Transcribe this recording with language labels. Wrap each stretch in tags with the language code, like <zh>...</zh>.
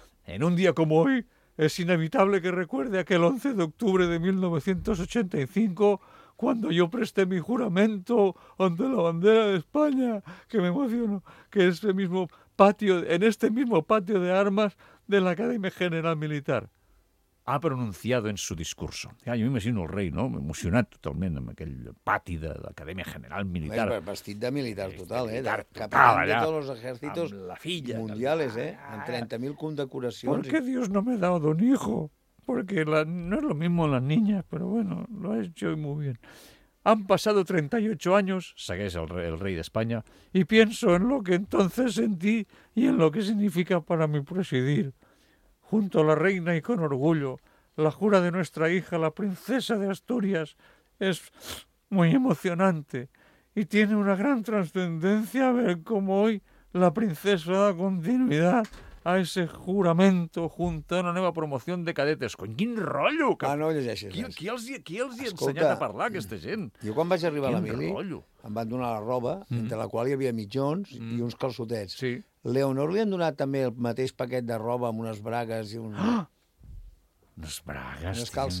<es>En un día como hoy, es inevitable que recuerde aquel 11 de octubre de 1985... cuando yo presté mi juramento ante la bandera de España, que me emociono, que es el mismo patio, en este mismo patio de armas de la Academia General Militar. Ha pronunciado en su discurso.</es> <ca>Ja, jo m'imagino el rei, no? Emocionat totalment amb aquell pati de l'Acadèmia General Militar. Vestit de militar total, eh?</ca> <es>Capitán</es> <ca>de tots els exèrcits mundials, eh? Amb 30.000 condecoracions.</ca> <es>¿Por qué Dios no me ha dado un hijo? Porque no es lo mismo las niñas, pero bueno, lo ha hecho muy bien. Han pasado 38 años,</es> <ca>segueix el</ca> <es>rey de España, y pienso en lo que entonces sentí y en lo que significa para mí presidir. Junto a la reina y con orgullo, la jura de nuestra hija, la princesa de Asturias, es muy emocionante y tiene una gran trascendencia ver cómo hoy la princesa da continuidad a ese juramento junto a una nueva promoción de cadetes.</es> <ca>Cony, quin rotllo! Que... Ah, no ho llegeixis. Qui els hi ha ensenyat a parlar, aquesta gent? Jo quan vaig arribar a la mili, rotllo. Em van donar la roba, entre la qual hi havia mitjons i uns calçotets. Sí. Leonor li han donat també el mateix paquet de roba amb unes bragues i uns... Unes bragues, unes calces.</ca>